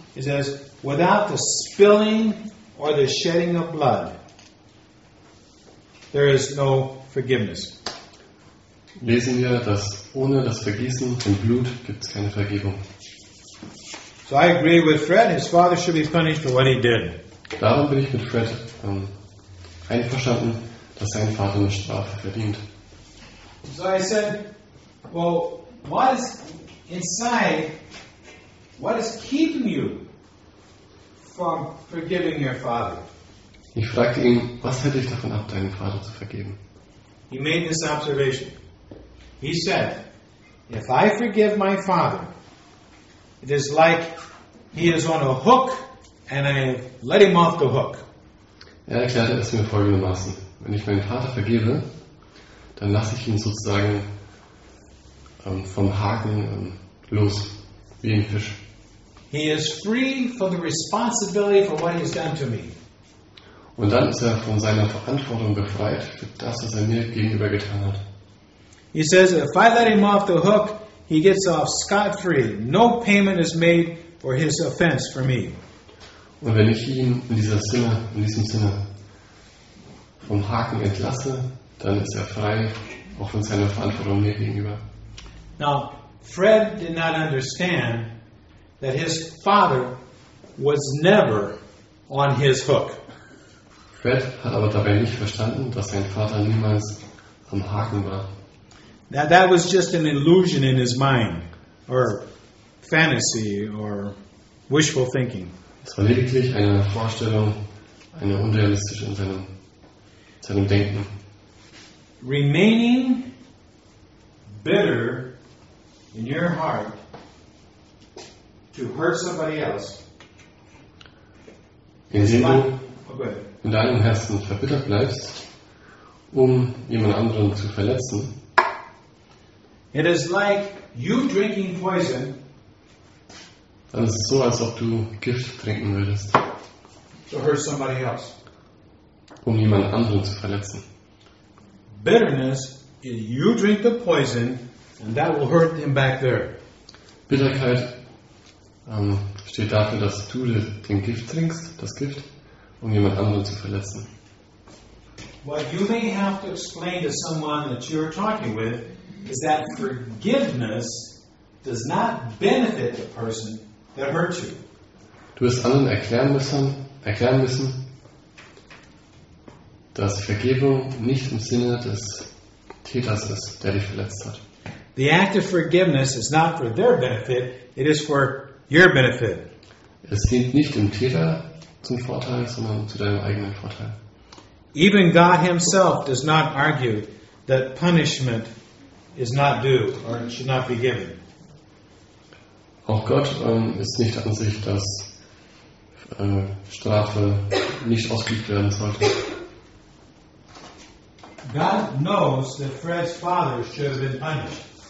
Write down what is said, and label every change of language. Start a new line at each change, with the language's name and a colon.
English: He says, without the spilling or the shedding of blood, there is no forgiveness.
German: Lesen wir, dass ohne das Vergießen von Blut gibt es keine Vergebung.
English: So I agree with Fred, his father should be punished for what he did.
German: Darum bin ich mit Fred einverstanden, dass sein Vater eine Strafe verdient.
English: So I said, well, what is inside, what is keeping you from forgiving your father?
German: Ich fragte ihn, was hält dich davon ab, deinen Vater zu vergeben?
English: He made this observation. He said, if I forgive my father, it is like he is on a hook and I let him off the hook.
German: Er erklärte es mir folgendermaßen. Wenn ich meinen Vater vergebe, dann lasse ich ihn sozusagen vom Haken los, wie ein Fisch.
English: He is free from the responsibility for what he has done to me.
German: Und dann ist er von seiner Verantwortung befreit für das, was er mir gegenüber getan hat.
English: He says, if I let him off the hook, he gets off scot-free. No payment is made for his offense for me.
German: Und wenn ich ihn in diesem Sinne vom Haken entlasse, dann ist er frei, auch von seiner Verantwortung mir gegenüber.
English: Now, Fred did not understand that his father was never on his hook.
German: Fred hat aber dabei nicht verstanden, dass sein Vater niemals am Haken war.
English: That was just an illusion in his mind, or fantasy, or wishful thinking.
German: Es war lediglich eine Vorstellung, eine unrealistische in seinem Denken.
English: Remaining bitter in your heart to hurt somebody else.
German: Indem du in deinem Herzen verbittert bleibst, jemand anderen zu verletzen.
English: It is like you drinking poison.
German: Dann ist es so, als ob du Gift trinken würdest.
English: To hurt somebody else.
German: Jemand anderen zu verletzen.
English: Bitterness is you drink the poison and that will hurt them back there.
German: Bitterkeit steht dafür, dass du den Gift trinkst, das Gift, jemand anderen zu verletzen.
English: What you may have to explain to someone that you're talking with is that forgiveness does not benefit the person that hurt you.
German: Du wirst anderen erklären müssen, dass Vergebung nicht im Sinne des Täters ist, der dich verletzt hat.
English: The act of forgiveness is not for their benefit, it is for your benefit.
German: Es dient nicht dem Täter zum Vorteil, sondern zu deinem eigenen Vorteil.
English: Even God himself does not argue that punishment is not due or should not be given.
German: Auch Gott ist nicht an sich, dass Strafe nicht ausgeübt werden sollte.
English: God knows that Fred's father should have been punished.